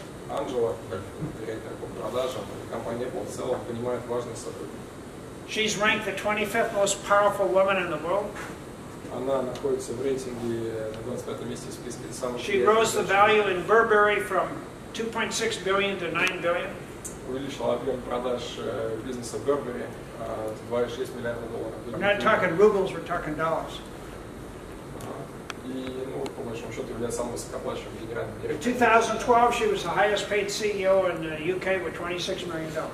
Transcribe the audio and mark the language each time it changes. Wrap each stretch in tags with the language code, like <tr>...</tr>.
<ru>Angela, как директор по продажам, компания Apple в целом понимает важность сотрудников.</ru> <en>She's ranked the 25th most powerful woman in the world.</en> <ru>Она находится в рейтинге на 25 месте в списке самых.</ru> <en>She rose the value in Burberry from 2.6 billion to 9 billion.</en> <ru>Увеличил объем продаж бизнеса Burberry с 2,6 миллиарда долларов.</ru> <en>We're not talking rubles, we're talking dollars.</en> <ru>И, ну, по большому счету, является самым высокооплачиваемым генеральным директором.</ru> <en>In 2012, she was the highest paid CEO in the UK with $26 million.</en>